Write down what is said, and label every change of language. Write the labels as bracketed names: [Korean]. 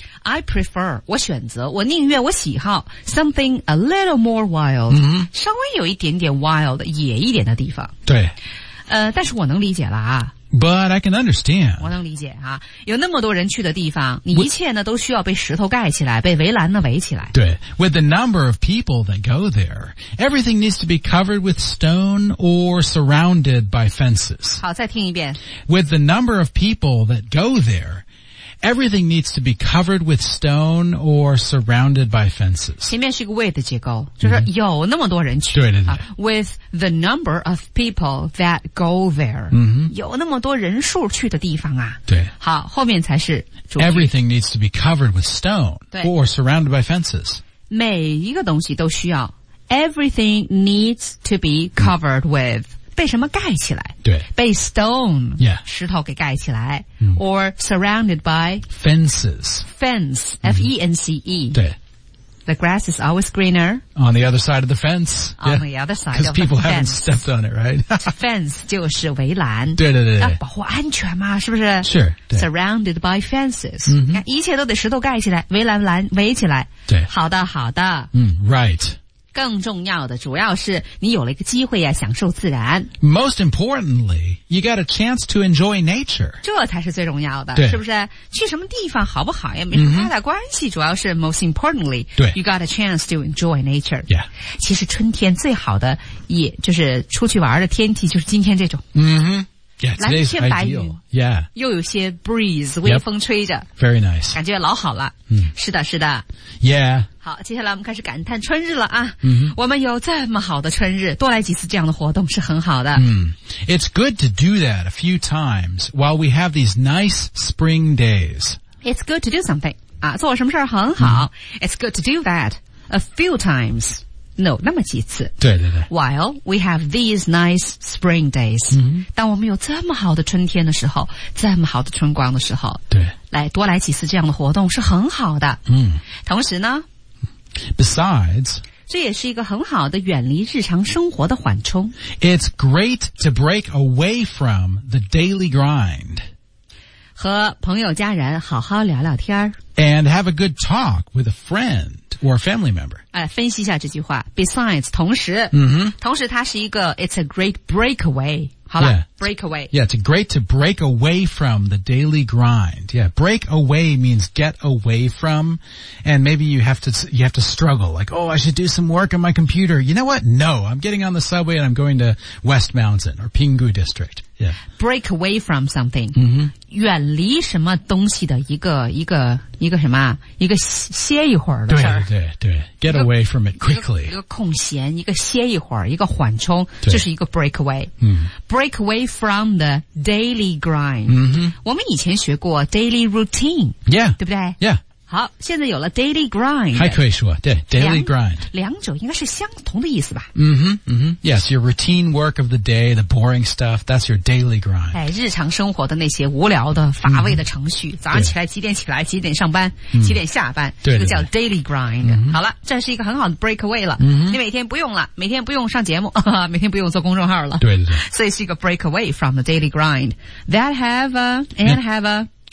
[English] I prefer [Chinese] 我选择我宁愿我喜好 [English] something a little more wild、 mm-hmm. [Chinese] 稍微有一点点 wild 野一点的地方对但是我能理解了啊 [English] But I can understand. [Chinese] 我能理解啊。有那么多人去的地方你一切呢都需要被石头盖起来被围栏呢围起来。对。 [English] With the number of people that go there, everything needs to be covered with stone or surrounded by fences. [Chinese] 好再听一遍。 [English] With the number of people that go there,Everything needs to be covered with stone or surrounded by fences. [Chinese] 前面是一个 with 的结构，就是有那么多人去。对对对。 [English] With the number of people that go there. 嗯哼。 [Chinese] 有那么多人数去的地方啊。对。好，后面才是主题。 [English] Everything needs to be covered with stone or surrounded by fences. [Chinese] 每一个东西都需要。 [English] Everything needs to be covered with. [Chinese] 被什么盖起来对被 stone、 [English] yeah. [Chinese] 石头给盖起来、嗯、 [English] or surrounded by fences fence F-E-N-C-E、 [Chinese] 嗯、对 [English] the grass is always greener on the other side of the fence on、yeah. the other side of the fence because people haven't stepped on it right [Chinese] fence 就是围栏对对 对, 对、啊、保护安全嘛是不是 [English] sure surrounded by fences、嗯、 [Chinese] 一切都得石头盖起来围栏栏围起来对好的好的、 [English] 嗯、right [Chinese] 更重要的主要是你有了一个机会啊享受自然。 [English] Most importantly, you got a chance to enjoy nature. [Chinese] 这才是最重要的对是不是去什么地方好不好也没什么太大关系、 mm-hmm. 主要是 [English] most importantly, [Chinese] 对 [English] you got a chance to enjoy nature. Yeah. [Chinese] 其实春天最好的也就是出去玩的天气就是今天这种。 [English] 嗯、mm-hmm. Yeah, today's [Chinese] 蓝天白云 [English] yeah. [Chinese] 又有些 breeze, 微风吹着。 [English] Yep. Very nice. [Chinese] 感觉老好了。嗯、是的是的。 [English] Yeah. [Chinese] 好接下来我们开始感叹春日了啊。嗯、我们有这么好的春日多来几次这样的活动是很好的。 [English] 嗯、It's good to do that a few times while we have these nice spring days. It's good to do something. [Chinese] 啊做什么事很好。 [English] 嗯、It's good to do that a few times. No, [Chinese] 那么几次。对对对。 [English] While we have these nice spring days.、 Mm-hmm. [Chinese] 当我们有这么好的春天的时候这么好的春光的时候对。来多来几次这样的活动是很好的。嗯、mm.。同时呢 [English] Besides, [Chinese] 这也是一个很好的远离日常生活的缓冲。 [English] It's great to break away from the daily grind. [Chinese] 和朋友家人好好聊聊天。 [English] And have a good talk with a friend. Or a family member. [Chinese] 分析一下这句话。 [English] Besides, [Chinese] 同时、同时它是一个 [English] it's a great breakaway. [Chinese] 好吧、breakaway. [English] Yeah, it's great to break away from the daily grind. Yeah, break away means get away from. And maybe you have to struggle. Like, oh, I should do some work on my computer. You know what? No, I'm getting on the subway and I'm going to West Mountain or Pingu District. Yeah. Break away from something.、 [Chinese] 远离什么东西的一个什么一个歇一会儿的事儿。 [English] 对 ,get away from it quickly. [Chinese] 一个空闲一个歇一会儿一个缓冲就是一个 break away.、 [English] Break away from the daily grind.、 [Chinese] 我们以前学过 [English] daily routine. Yeah. [Chinese] 对不对 [English] ,yeah. [Chinese] 好现在有了 daily grind. 还可以说对 ,daily grind. 两者应该是相同的意思吧。 [English] Yes, your routine work of the day, the boring stuff, that's your daily grind. [Chinese] 哎日常生活的那些无聊的乏味的程序、早上起来几点起来几点上班、几点下班对这个叫 daily grind.、好了这是一个很好的 breakaway 了、你每天不用了每天不用上节目每天不用做公众号了。对 [English] 所以是一个 breakaway from the daily grind. That have a, and have a